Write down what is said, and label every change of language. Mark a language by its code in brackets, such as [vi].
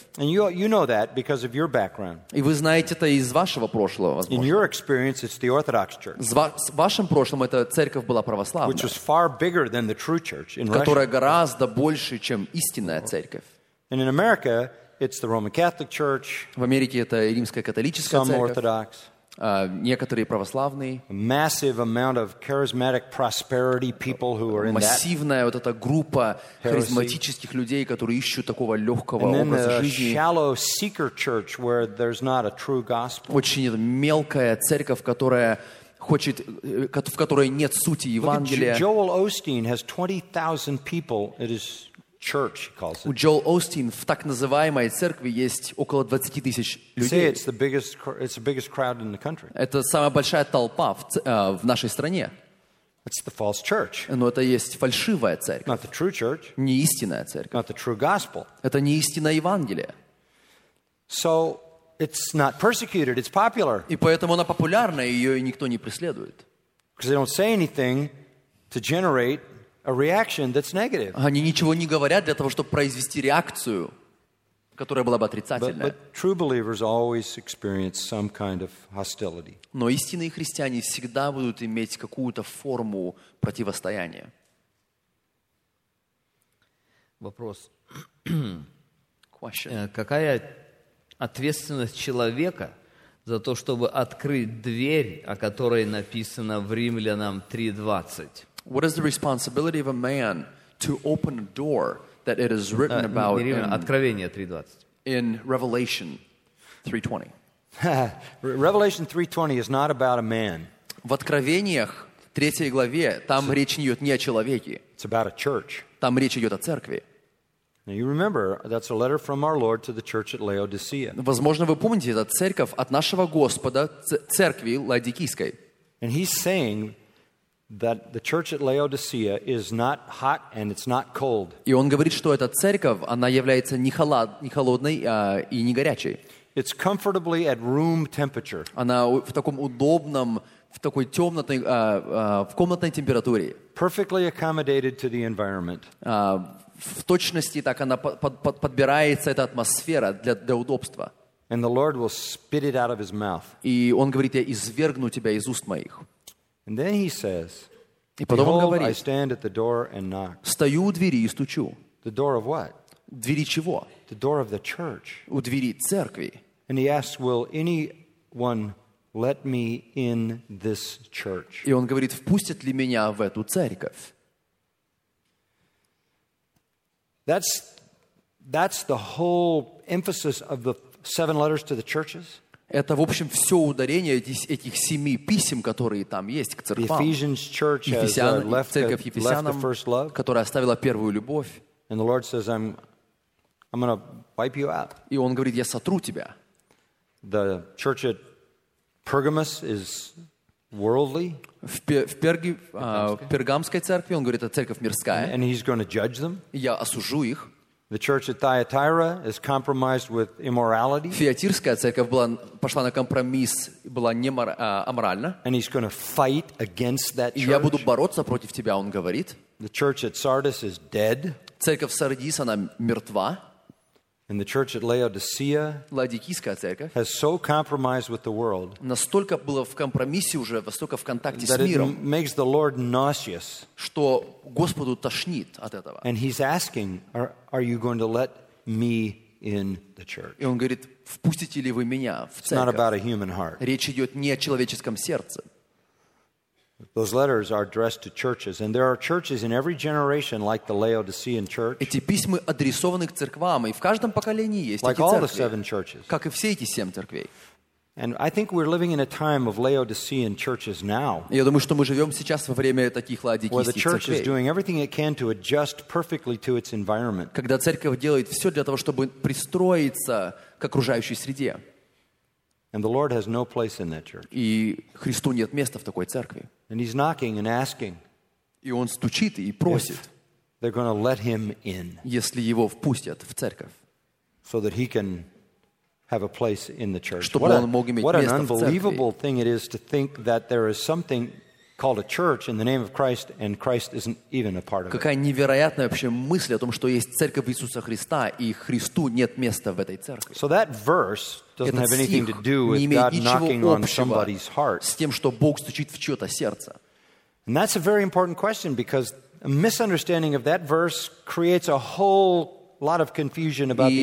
[en] And you know that because of your background. [ru] И вы знаете это из вашего прошлого, возможно. [en] In your experience, it's the Orthodox Church. [ru] С вашим прошлым эта церковь была православная. [en] Which was far bigger than the true church in Russia. [ru] Которая гораздо больше, чем истинная церковь. [en] And in America, it's the Roman Catholic Church. [ru] В Америке это римская католическая церковь. [en] Some Orthodox. [ru] Некоторые православные. [en] Massive amount of charismatic prosperity people who are in that. [ru] Массивная вот эта группа харизматических людей, которые ищут такого легкого образа жизни. [en] Shallow seeker church where there's not a true gospel. [ru] Очень мелкая церковь, которая хочет, в которой нет сути Евангелия. [en] Joel Osteen has 20,000 people. It is church, he calls it. [ru] У Джоэл Остин в так называемой церкви есть около 20 тысяч людей. [en] Say it's the biggest crowd in the country. [ru] Это самая большая толпа в нашей стране. [en] It's the false church. [ru] Но это есть фальшивая церковь. [en] Not the true church. [ru] Не истинная церковь. [en] Not the true gospel. [ru] Это не истинное Евангелие. [en] So it's not persecuted. It's popular. [ru] И поэтому она популярна, ее никто не преследует. [en] Because they don't say anything to generate a reaction that's negative. [ru] Они ничего не говорят для того, чтобы произвести реакцию, которая была бы отрицательная. [en] But true believers always experience some kind of hostility. [ru] Но истинные христиане всегда будут иметь какую-то форму противостояния. Вопрос. [en] Question. [ru] Какая ответственность человека за то, чтобы открыть дверь, о которой написано в Римлянам 3:20? [en] What is the responsibility of a man to open a door that it is written about [ru] Откровение 3:20. [en] In Revelation 3:20? Revelation 3:20 is not about a man. [ru] В Откровениях, 3 главе, там речь не идет о человеке. [en] It's about a church. [ru] Там речь идет о церкви. [en] Now you remember, that's a letter from our Lord to the church at Laodicea. [ru] Возможно, вы помните, это церковь от нашего Господа, церкви Лаодикийской. [en] And he's saying that the church at Laodicea is not hot and it's not cold. [ru] И он говорит, что эта церковь, она является не холодной и не горячей. [en] It's comfortably at room temperature. [ru] Она в таком удобном, в такой темной, в комнатной температуре. [en] Perfectly accommodated to the environment. [ru] В точности так она подбирается эта атмосфера для удобства. [en] And the Lord will spit it out of his mouth. [ru] И он говорит: я извергну тебя из уст моих. [en] And then he says, Behold, I stand at the door and knock. [ru] Стою у двери и стучу. [en] The door of what? [ru] Двери чего? [en] The door of the church. [ru] У двери церкви. [en] And he asks, Will anyone let me in this church? [ru] И он говорит, впустят ли меня в эту церковь? [en] That's the whole emphasis of the seven letters to the churches. [ru] Это, в общем, все ударение этих семи писем, которые там есть к церквам. [en] Ephesians church has left the first love, [ru] которая оставила первую любовь. [en] And the Lord says, "I'm going to wipe you out." [ru] И он говорит, я сотру тебя. [en] The church at Pergamos is worldly. [ru] Пергамской церкви он говорит, это церковь мирская. [en] And he's going to judge them. [ru] Я осужу их. [en] The church at Thyatira is compromised with immorality. [ru] Фиатирская церковь была пошла на компромисс, была не аморальна. [en] And he's going to fight against that church. [ru] Я буду бороться против тебя, он говорит. [en] The church at Sardis is dead. [ru] Церковь Сардис она мертва. [en] And the church at Laodicea, [ru] Лаодикийская церковь, [en] has so compromised with the world. [ru] Настолько было в компромиссе уже, настолько в контакте с миром. [en] That it makes the Lord nauseous. [ru] Что Господу тошнит от этого. [en] And he's asking, are you going to let me in the church? [ru] И он говорит, впустите ли вы меня в церковь? [en] It's not about a human heart. [ru] Речь идет не о человеческом сердце. [en] Those letters are addressed to churches, and there are churches in every generation, like the Laodicean church. [ru] Эти письма адресованы к церквам, и в каждом поколении есть эти церкви. [en] Like all the seven churches. [ru] Как и все эти семь церквей. [en] And I think we're living in a time of Laodicean churches now. [ru] Я думаю, что мы живем сейчас во время таких Лаодикийских церквей. [en] The church is doing everything it can to adjust perfectly to its environment. [ru] Когда церковь делает все для того, чтобы пристроиться к окружающей среде. [en] And the Lord has no place in that church. [ru] И Христу нет места в такой церкви. [en] And he's knocking and asking. [ru] И он стучит и просит. [en] They're going to let him in. [ru] Если его впустят в церковь. [en] So that he can have a place in the church. [ru] Чтобы он мог иметь место в церкви. [en] What an unbelievable thing it is to think that there is something called a church in the name of Christ and Christ isn't even a part of it. [ru] Какая невероятная вообще мысль о том, что есть церковь Иисуса Христа и Христу нет места в этой церкви. [en] So that verse doesn't have anything to do with God knocking on somebody's heart. [ru] С тем, что Бог стучит в чьё-то сердце. [en] And that's a very important question because a misunderstanding of that verse creates a whole lot of confusion about the issue.